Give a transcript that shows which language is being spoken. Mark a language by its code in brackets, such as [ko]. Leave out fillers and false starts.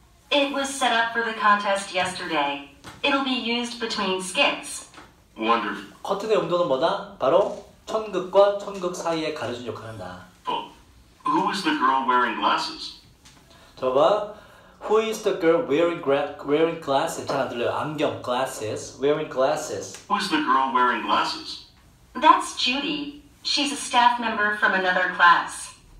[en] It was set up for the contest yesterday. It'll be used between skits. Wonderful. [ko] 커튼의 용도는 뭐다? 바로 천극과 천극 사이에 가려준 역할한다. [en] Who is the girl wearing glasses? [ko] 저 봐. [en] Who is the girl wearing glasses? [ko] 잘 안 들려요. 안경, glasses. [en] Wearing glasses. Who is the girl wearing glasses? That's Judy. She's a staff member from another class.